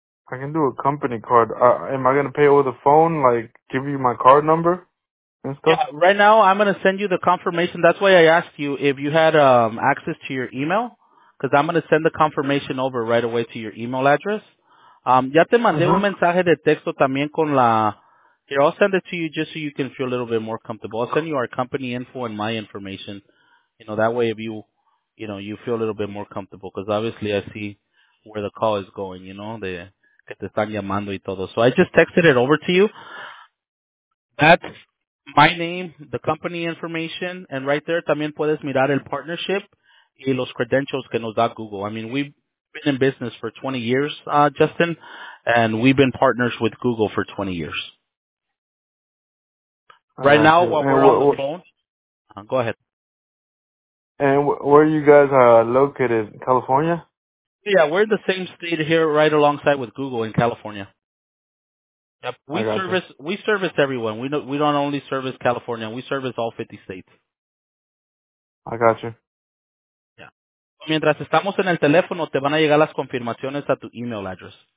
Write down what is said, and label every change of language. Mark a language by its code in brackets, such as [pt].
[en] I can do a company card. Am I going to pay over the phone, like give you my card number and stuff? Yeah, right now, I'm going to send you the confirmation. That's why I asked you if you had access to your email, because I'm going to send the confirmation over right away to your email address. [es] Ya te mandé un mensaje de texto también con la... [en] Here, I'll send it to you just so you can feel a little bit more comfortable. I'll send you our company info and my information. You know, that way if you... You know, you feel a little bit more comfortable because obviously I see where the call is going, you know, the [es] que te están llamando y todo. [en] So I just texted it over to you. That's my name, the company information, and right there [es] también puedes mirar el partnership y los credentials que nos da Google. [en] I mean, we've been in business for 20 years, Justin, and we've been partners with Google for 20 years. Right now, while we're on the phone, go ahead. And where are you guys located? California? Yeah, we're in the same state here right alongside with Google in California. Yep. We service everyone. We don't only service California. We service all 50 states. I got you. Yeah. [es] mientras estamos en el teléfono, te van a llegar las confirmaciones a tu email address.